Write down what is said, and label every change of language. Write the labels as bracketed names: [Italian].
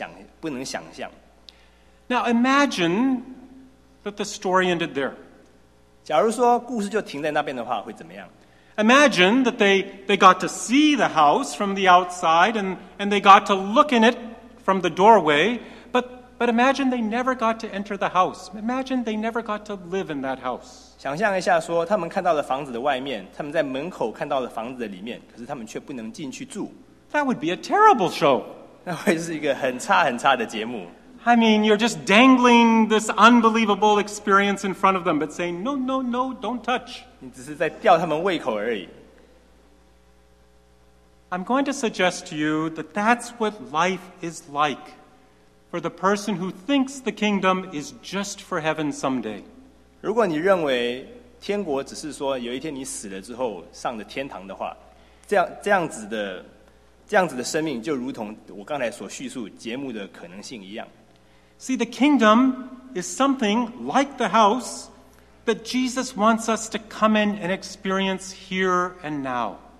[Chinese] 更好的设备，更好的技术，他们就是非常非常的不能想象。 [English] Now imagine that the story ended there. [Chinese] 假如说故事就停在那边的话，会怎么样？ [English] Imagine that they got to see the house from the outside and they got to look in it from the doorway, but imagine they never got to enter the house. Imagine they never got to live in that house. [Chinese] 想象一下说,他们看到了房子的外面,他们在门口看到了房子的里面,可是他们却不能进去住。 [English] That would be a terrible show. [Chinese] 那会是一个很差很差的节目。 [English] I mean, you're just dangling this unbelievable experience in front of them, but saying, no, no, no, don't touch. [Chinese] 你只是在吊他们胃口而已。 [English] I'm going to suggest to you that that's what life is like for the person who thinks the kingdom is just for heaven someday. [Chinese] 如果你认为天国只是说有一天你死了之后上了天堂的话，这样子的生命就如同我刚才所叙述节目的可能性一样。 [English] See, the kingdom is something like the house that Jesus wants us to come in and experience here and now.